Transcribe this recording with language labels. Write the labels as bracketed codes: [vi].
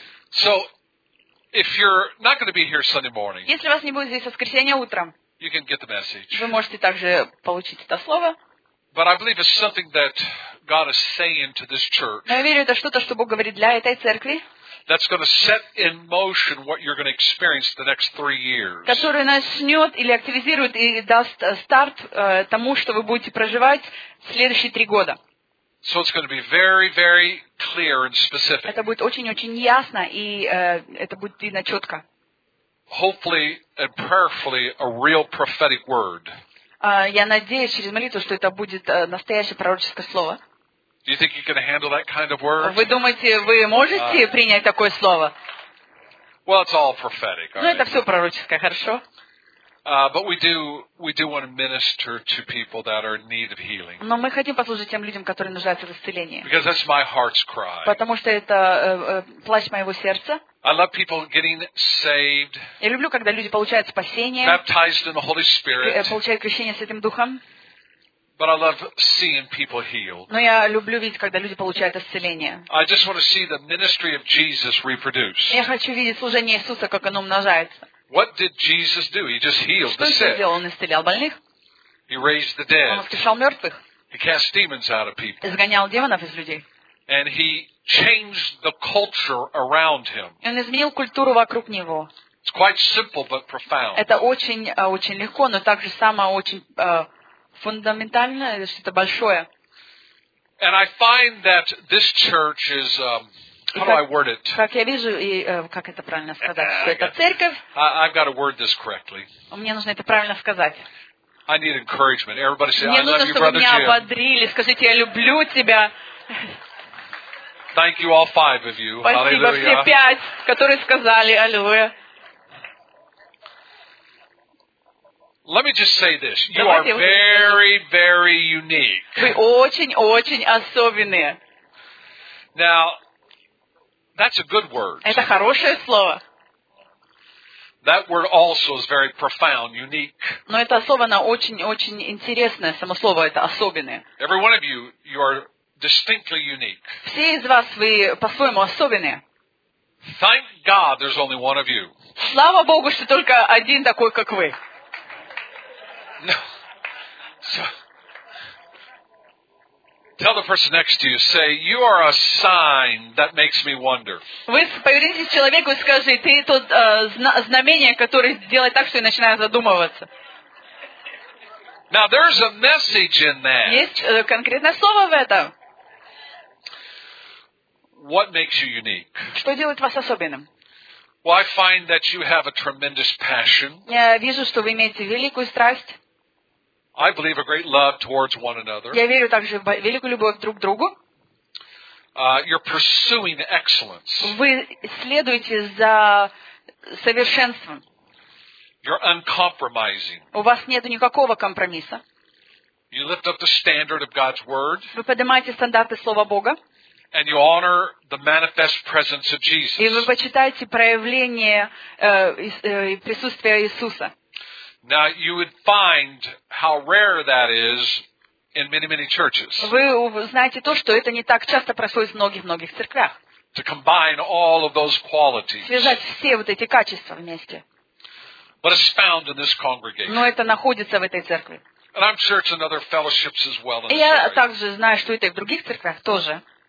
[en] So, if you're not going to be here Sunday morning, [ru] если вас не будет здесь воскресенье утром, [en] you can get the message. [ru] Вы можете также получить это слово. [en] But I believe it's something that God is saying to this church. [ru] Но я верю, это что-то, что Бог говорит для этой церкви. [en] That's going to set in motion what you're going to experience the next 3 years. [ru] Который начнет или активизирует и даст старт тому, что вы будете проживать следующие 3 года. [en] So it's going to be very, very clear and specific. [ru] Это будет очень-очень ясно и это будет видно четко. [en] Hopefully and prayerfully a real prophetic word. [ru] Я надеюсь через молитву, что это будет настоящее пророческое слово. [en] Do you think you can handle that kind of word? [ru] Вы думаете, вы можете принять такое слово? [en] Well, it's all prophetic. [ru] Ну, это все пророческое, хорошо? [en] But we do want to minister to people that are in need of healing. [ru] Но мы хотим послужить тем людям, которые нуждаются в исцелении. [en] Because that's my heart's cry. [ru] Потому что это плач моего сердца. [en] I love people getting saved. [ru] Я люблю, когда люди получают спасение. [en] Baptized in the Holy Spirit. [ru] Получают крещение Святым Духом. [en] But I love seeing people healed. [ru] Но я люблю видеть, когда люди получают исцеление. [en] I just want to see the ministry of Jesus reproduced. [ru] Я хочу видеть служение Иисуса, как оно умножается. [en] What did Jesus do? He just healed the sick. [ru] Что Иисус сделал? Он исцелял больных. [en] He raised the dead. [ru] Он воскрешал мертвых. [en] He cast demons out of people. [ru] Изгонял демонов из людей. [en] And he changed the culture around him. [ru] Он изменил культуру вокруг него. [en] It's quite simple but profound. [ru] Это очень очень легко, но также само очень фундаментально или что-то большое. [en] And I find that this church is how do I word it? [ru] Как я вижу и как это правильно сказать, что это церковь. [en] I've got to word this correctly. [ru] Мне нужно это правильно сказать. [en] I need encouragement. Everybody say, I love you, brother Jim. [ru] Мне нужно, чтобы меня ободрили. Скажите, я люблю тебя. [en] Thank you, all five of you. [ru] Спасибо все пять, которые сказали аллилуйя. [en] Let me just say this. You are very, very unique. [ru] Вы очень-очень особенные. [en] Now, that's a good word. [ru] Это хорошее слово. [en] That word also is very profound, unique. [ru] Но это слово, оно очень-очень интересное. Само слово это особенное. [en] Every one of you, you are distinctly unique. [ru] Все из вас, вы по-своему особенные. [en] Thank God there's only one of you. [ru] Слава Богу, что только один такой, как вы. [en] No. So, tell the person next to you, say, you are a sign that makes me wonder. [ru] Вы повернитесь к человеку и скажи, ты тот знамение, которое делает так, что я начинаю задумываться. [en] Now, there's a message in that. [ru] Есть конкретное слово в этом. [en] What makes you unique? [ru] Что делает вас особенным? [en] Well, I find that you have a tremendous passion. [ru] Я вижу, что вы имеете великую страсть. [en] I believe a great love towards one another. [ru] Я верю также в великую любовь друг к другу. [en] You're pursuing excellence. [ru] Вы следуете за совершенством. [en] You're uncompromising. [ru] У вас нет никакого компромисса. [en] You lift up the standard of God's word. [ru] Вы поднимаете стандарты слова Бога. [en] And you honor the manifest presence of Jesus. [ru] И вы почитаете проявление присутствия Иисуса. [en] Now you would find how rare that is in many, many churches. [ru] Вы знаете то, что это не так часто происходит в многих церквях. [en] To combine all of those qualities. [ru] Связать все вот эти качества вместе. [en] But it's found in this congregation. [ru] Но это находится в этой церкви. [en] And I'm sure it's in other fellowships as well. [ru] И я также знаю, что это и в других церквях тоже.